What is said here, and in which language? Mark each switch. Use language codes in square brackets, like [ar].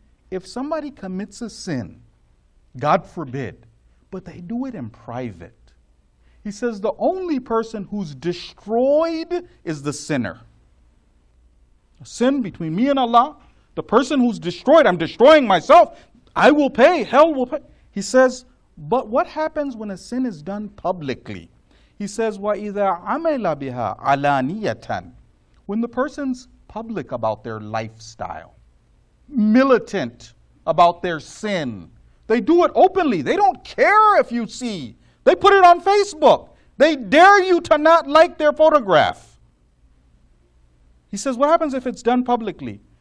[en] If somebody commits a sin, God forbid, but they do it in private, he says the only person who's destroyed is the sinner. A sin between me and Allah, the person who's destroyed, I'm destroying myself, I will pay, hell will pay. He says, but what happens when a sin is done publicly? He says, [ar] وَإِذَا عَمَلَ بِهَا عَلَانِيَةً. [en] When the person's public about their lifestyle, militant about their sin, they do it openly. They don't care if you see. They put it on Facebook. They dare you to not like their photograph. He says, what happens if it's done publicly?